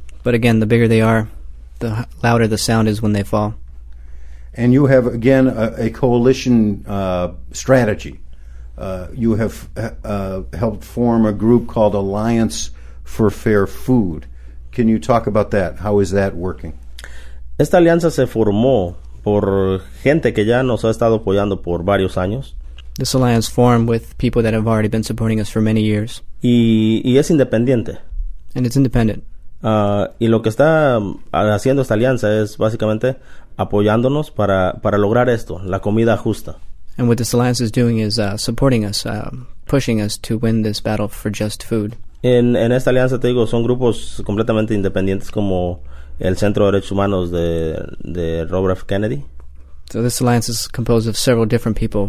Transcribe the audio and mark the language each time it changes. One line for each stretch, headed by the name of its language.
English: But again, the bigger they are, the louder the sound is when they fall. And you have, again, a coalition strategy. You have helped form a group called Alliance for Fair Food. Can you talk about that? How is that working?
Spanish: Esta alianza se formó por gente que ya nos ha estado apoyando por varios años.
English: This alliance formed with people that have already been supporting us for many years.
Spanish: Y es independiente.
English: And it's independent.
Spanish: Y lo que está haciendo esta alianza es básicamente apoyándonos para lograr esto, la comida justa.
English: And what this alliance is doing is supporting us, pushing us to win this battle for just food.
Spanish: En esta alianza, te digo, son grupos completamente independientes como el Centro de Derechos Humanos de Robert F. Kennedy.
English: So this alliance is composed of several different people.